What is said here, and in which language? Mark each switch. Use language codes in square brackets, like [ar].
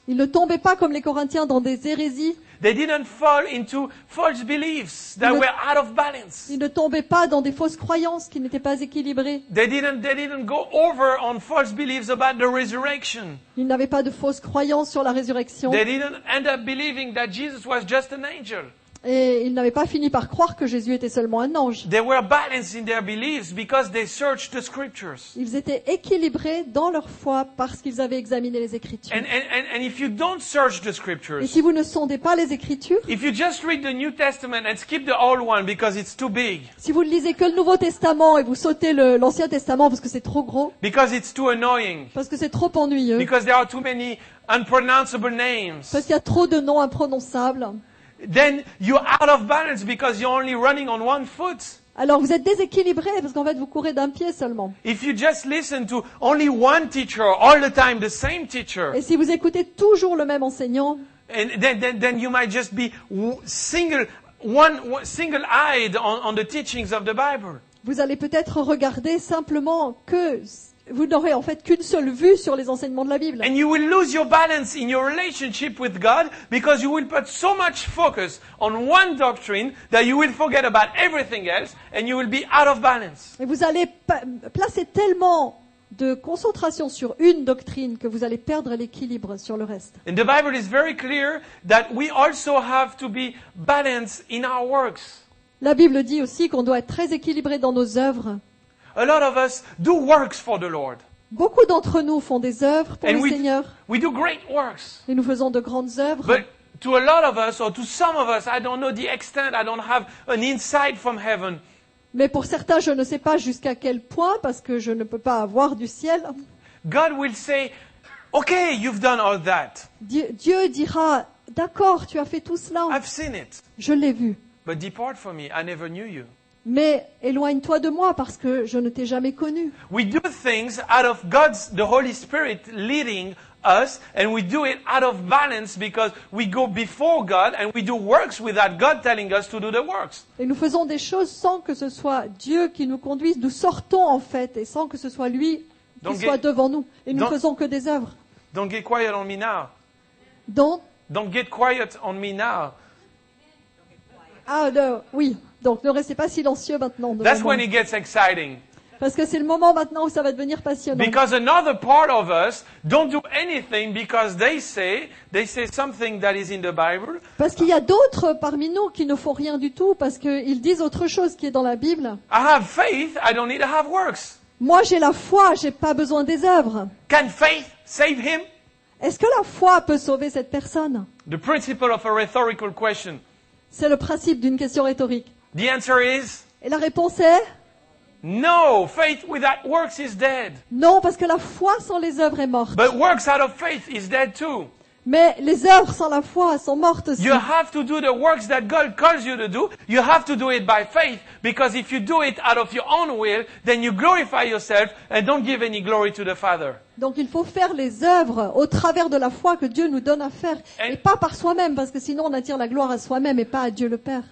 [fr] Ils ne tombaient pas comme les Corinthiens dans des hérésies. [en] They didn't fall into false beliefs that were out of balance. [fr] Ils ne tombaient pas dans des fausses croyances qui n'étaient pas équilibrées. [en] They didn't go over on false beliefs about the resurrection. [fr] Ils n'avaient pas de fausses croyances sur la résurrection. [en] They didn't end up believing that Jesus was just an angel. [fr] Et ils n'avaient pas fini par croire que Jésus était seulement un ange. [en] They were balanced in their beliefs because they searched the scriptures. [fr] Ils étaient équilibrés dans leur foi parce qu'ils avaient examiné les Écritures. [en] And if you don't search the scriptures, [fr] et si vous ne sondez pas les Écritures, [en] if you just read the New Testament and skip the old one because it's too big, [fr] si vous ne lisez que le Nouveau Testament et vous sautez l'Ancien Testament parce que c'est trop gros, [en] because it's too annoying, [fr] parce que c'est trop ennuyeux, [en] because there are too many unpronounceable names, [fr] parce qu'il y a trop de noms imprononçables, [en] then you're out of balance because you're only running on one foot. [fr] Alors vous êtes déséquilibré parce qu'en fait vous courez d'un pied seulement. [en] If you just listen to only one teacher all the time, the same teacher. [fr] Et si vous écoutez toujours le même enseignant. [en] And then you might just be single-eyed on the teachings of the Bible. [fr] Vous allez peut-être regarder simplement que vous n'aurez en fait qu'une seule vue sur les enseignements de la Bible. [en] And you will lose your balance in your relationship with God because you will put so much focus on one doctrine that you will forget about everything else and you will be out of balance. [fr] Et vous allez placer tellement de concentration sur une doctrine que vous allez perdre l'équilibre sur le reste. [en] And the Bible is very clear that we also have to be balanced in our works. [fr] La Bible dit aussi qu'on doit être très équilibré dans nos œuvres. [en] A lot of us do works for the Lord. [fr] Beaucoup d'entre nous font des œuvres pour [en] and [fr] le Seigneur. [en] We do great works. [fr] Et nous faisons de grandes œuvres. [en] But to a lot of us, or to some of us, I don't know the extent. I don't have an insight from heaven. [fr] Mais pour certains, je ne sais pas jusqu'à quel point, parce que je ne peux pas avoir du ciel. [en] God will say, "Okay, you've done all that." [fr] Dieu dira, d'accord, tu as fait tout cela. [en] I've seen it. [fr] Je l'ai vu. [en] But depart from me. I never knew you. [fr] Mais éloigne-toi de moi parce que je ne t'ai jamais connu. [en] We do things out of God's, the Holy Spirit leading us, and we do it out of balance because we go before God and we do works without God telling us to do the works. [fr] Et nous faisons des choses sans que ce soit Dieu qui nous conduise. Nous sortons en fait et sans que ce soit lui qui soit devant nous. Et nous faisons que des œuvres. [en] Don't get quiet on me now. Don't get quiet on me now. [fr] Ah, oui. Donc ne restez pas silencieux maintenant. [en] That's when it gets exciting. [fr] Parce que c'est le moment maintenant où ça va devenir passionnant. [en] Because another part of us don't do anything because they say something that is in the Bible. [fr] Parce qu'il y a d'autres parmi nous qui ne font rien du tout parce qu'ils disent autre chose qui est dans la Bible. [en] I have faith, I don't need to have works. [fr] Moi j'ai la foi, j'ai pas besoin des œuvres. [en] Can faith save him? [fr] Est-ce que la foi peut sauver cette personne? [en] The principle of a rhetorical question. [fr] C'est le principe d'une question rhétorique. [en] The answer is, [fr] et la réponse est [en] no, faith without works is dead. [fr] Non, parce que la foi sans les œuvres est morte. [en] But works out of faith is dead too. [fr] Mais les œuvres sans la foi sont mortes aussi. [en] You have to do the works that God calls you to do. You have to do it by faith because if you do it out of your own will, then you glorify yourself and don't give any glory to the Father. [fr] Donc il faut faire les œuvres au travers de la foi que Dieu nous donne à faire et pas par soi-même parce que sinon on attire la gloire à soi-même et pas à Dieu le Père.